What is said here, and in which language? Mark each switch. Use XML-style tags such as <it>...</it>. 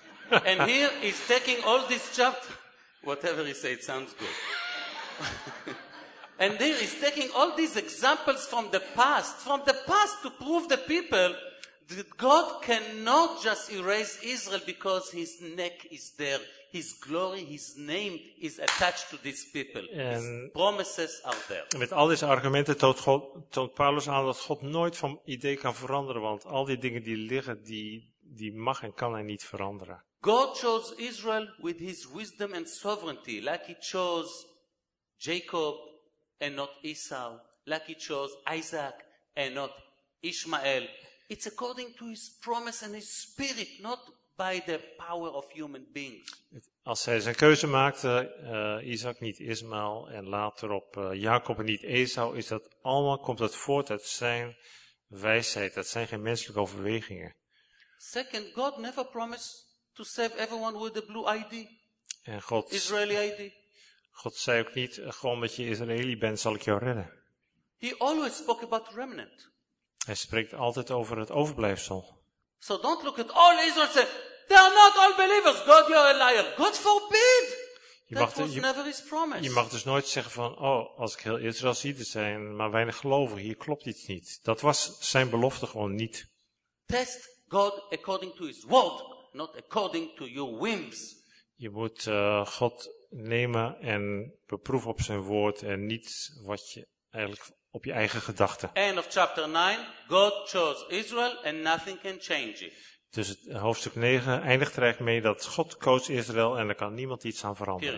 <en>And here is taking all this chapter, whatever he says, sounds good. And here is taking all these examples from the past to prove the people that God cannot just erase Israel because his neck is there. His glory, his name is attached to these people.</en> <nl>En</nl> <en>his promises are there.</en> <nl>Met al deze argumenten toont Paulus aan dat God nooit van idee kan veranderen. Want al die dingen die liggen, die mag en kan hij niet veranderen.</nl> <en>God chose Israel with his wisdom and sovereignty. Like he chose Jacob and not Esau. Like he chose Isaac and not Ishmael. It's according to his promise and his spirit, not by the power of human beings.</en> <nl>Als hij zijn keuze maakte, Isaac niet Ismaël en later op Jacob en niet Esau, is dat allemaal komt dat voort uit zijn wijsheid. Dat zijn geen menselijke overwegingen.</nl> <en>Second, God never promised to save everyone with a blue ID.</en> <nl>En God,</nl> <en>Israeli ID.</en> <nl>God zei ook niet, gewoon omdat je Israëli bent, zal ik jou redden.</nl> <en>He always spoke about remnant.</en> <nl>Hij spreekt altijd over het overblijfsel.</nl> <en>So don't look at all Israel and say, they are not all believers. God, you're a liar. God forbid. Never his promise.</en> <nl>Je mag dus nooit zeggen van, oh, als ik heel Israël zie, er zijn maar weinig geloven. Hier klopt iets niet. Dat was zijn belofte gewoon niet.</nl> <en>Test God according to his word, not according to your whims.</en> <nl>Je moet God nemen en beproeven op zijn woord en niet wat je eigenlijk op je eigen gedachten.</nl> <en>End of chapter 9, God chose Israel and nothing can change it.</en> <nl>Dus het hoofdstuk 9 eindigt er eigenlijk mee dat God koos Israël en er kan niemand iets aan veranderen.</nl>